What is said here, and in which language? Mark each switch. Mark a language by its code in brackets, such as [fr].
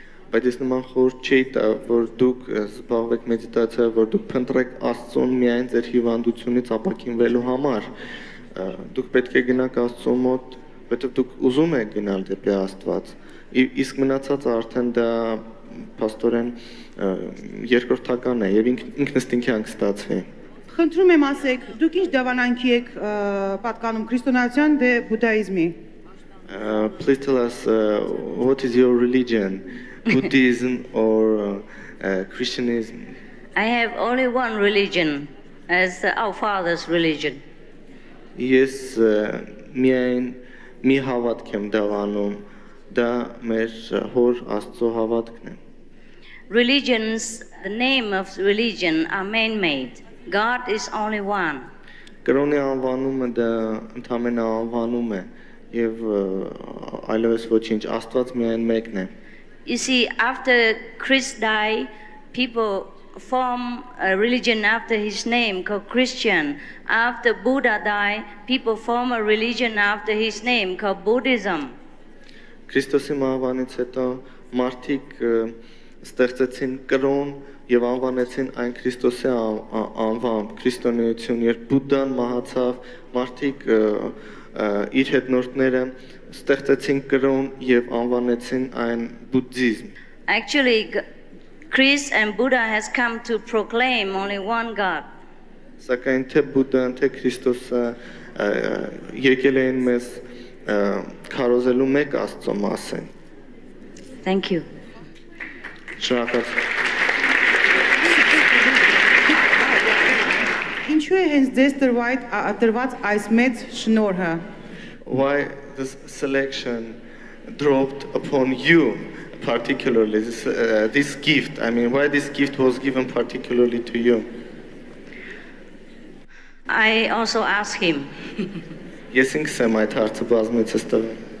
[hy] բայց ես նման խոր չէի տա, որ դուք զբաղվեք մեդիտացիա, որ դուք փնտրեք Աստծուն միայն ձեր հիվանդությունից ապակինվելու համար, դուք պետք է գնաք Աստծո մոտ, որովհետև դուք ուզում եք գնալ դեպի Աստված, իսկ մնացած արդեն դա պաստորեն երկրորդական է եւ ինքնստինքի անգստացվի։ Խնդրում եմ ասեք, դուք ինչ դավանանքի եք պատկանում քրիստոնեության դե բուդդայիզմի։ [en] Please tell us what is your religion, Buddhism or Christianism? I have only one religion, as our father's religion. [hy] Yes, միայն մի հավատք եմ դավանում, դա մեր հոր Աստծո հավատքն է։ [en] Religions, the name of religion are man-made. God is only one. [hy] Կրոնի անվանումը դա ընդհանրապես անվանում է եւ այլևս ոչինչ, Աստված միայն մեկն է։ [en] You see, after Christ died, people form a religion after his name called Christian. After Buddha died, people form a religion after his name called Buddhism. [hy] Քրիստոսի մահվանից հետո մարդիկ ստեղծեցին կրոն եւ անվանեցին այն Քրիստոսի անվան, քրիստոնեություն, երբ Բուդդան մահացավ, մարդիկ իր հետնորդները ստեղծեցին կրոն եւ անվանեցին այն բուդդիզմ։ [en] Actually, Christ and Buddha has come to proclaim only one God. [hy] Սակայն թե Բուդդան, թե Քրիստոսը եկել էին մեզ քարոզելու մեկ Աստծո մասին։ [en] Thank you. [hy] Ինչու է հենց ձեզ տրված այս մեծ շնորհը? [en] Why this selection dropped upon you particularly, this gift? I mean, why this gift was given particularly to you? I also asked him. [hy] Ես ինքս եմ այդ հարցը բազմեցս տվել։